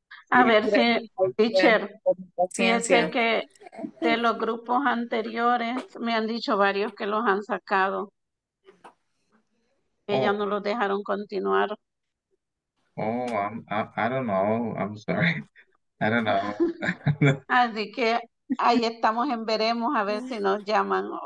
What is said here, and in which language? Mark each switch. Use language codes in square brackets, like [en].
[es] A ver si, teacher, si es el que de los grupos anteriores, me han dicho varios que los han sacado. Ella no los dejaron continuar. [en] Oh, I don't know, I'm sorry. I don't know. [es] Así que ahí estamos en veremos a ver si nos llaman.